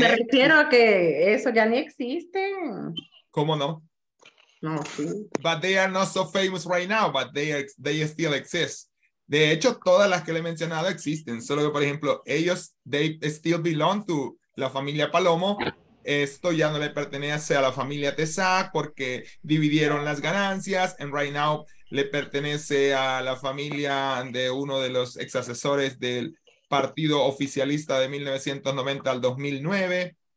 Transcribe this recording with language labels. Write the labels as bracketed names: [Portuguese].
[Spanish] Me refiero a que eso ya ni existe. ¿Cómo no? No, sí. [English] But they are not so famous right now, but they still exist. [Spanish] De hecho, todas las que le he mencionado existen. Solo que, por ejemplo, ellos, they still belong to la familia Palomo. Esto ya no le pertenece a la familia Tesac porque dividieron las ganancias. And right now le pertenece a la familia de uno de los ex asesores del partido oficialista de 1990 al 2009.